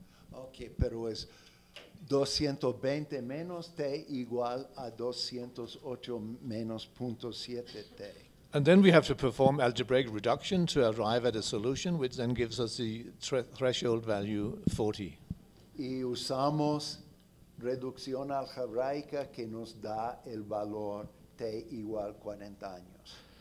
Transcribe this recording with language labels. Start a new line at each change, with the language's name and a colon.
Spanish: Okay, pero es 220 menos t igual a 208 menos 0.7 t.
English: And then we have to perform algebraic reduction to arrive at a solution, which then gives us the threshold value 40.
Spanish: Y usamos reducción algebraica que nos da el valor t igual 40 años.